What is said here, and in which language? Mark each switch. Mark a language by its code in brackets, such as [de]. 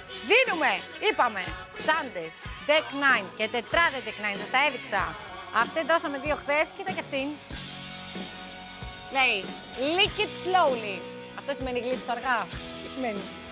[el] Δίνουμε, είπαμε, τσάντες, deck 9 και τετράδε deck 9, σας τα έδειξα. Αυτή δώσαμε δύο χθες, κοίτα και αυτήν. [en] Λέει, lick it slowly. [el] Αυτό σημαίνει γλύψω αργά. Τι σημαίνει.